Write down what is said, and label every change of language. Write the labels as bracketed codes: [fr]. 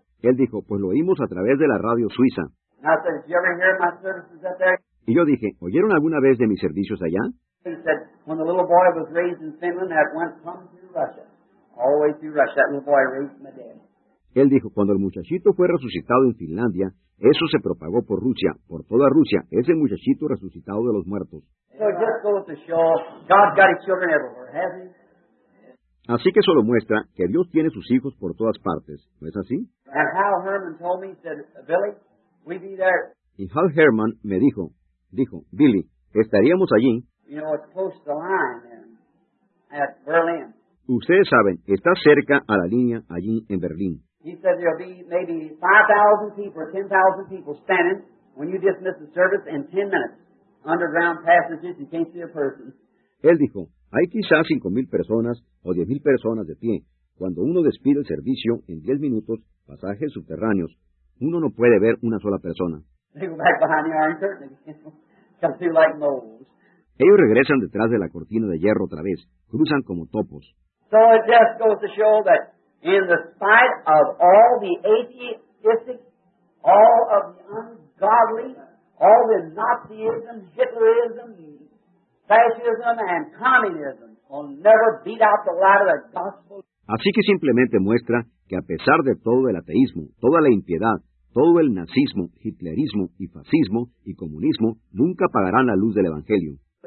[es] Él dijo, pues lo oímos a través de la radio suiza. [en] And I said, did you ever hear my services up there? [es] Y yo dije, ¿oyeron alguna vez de mis servicios allá? [en] He said, when the little boy was raised in Finland, that went from Russia. All the way through Russia, that little boy raised my dad. [es] Él dijo, cuando el muchachito fue resucitado en Finlandia, eso se propagó por Rusia, por toda Rusia, ese muchachito resucitado de los muertos. [en] So it just goes to show, God's got his children everywhere, hasn't he? [es] Así que solo muestra que Dios tiene sus hijos por todas partes, ¿no es así? [en] And Hal Herman told me, said, Billy, we'd be there. [es] Y Hal Herman me dijo, Billy, estaríamos allí. [en] You know, it's close to the line then, at Berlin. [es] Ustedes saben, está cerca a la línea allí en Berlín. [en] He said there'll be maybe 5,000 people or 10,000 people standing when you dismiss the service in 10 minutes. Underground passages, you can't see a person. [es] Él dijo, hay quizás 5,000 personas o 10,000 personas de pie. Cuando uno despide el servicio en 10 minutos, pasajes subterráneos, uno no puede ver una sola persona. [en] They go back behind the iron curtain again. Come through like moles. [es] Ellos regresan detrás de la cortina de hierro otra vez. Cruzan como topos. [en] So it just goes to show that in the spite of all the atheistic, all of the ungodly, all the Nazism, Hitlerism, fascism, and communism will never beat out the light of the gospel. [es] Así que simplemente muestra que a pesar de todo el ateísmo, toda la impiedad, todo el nazismo, hitlerismo y fascismo y comunismo nunca apagarán la luz del Evangelio.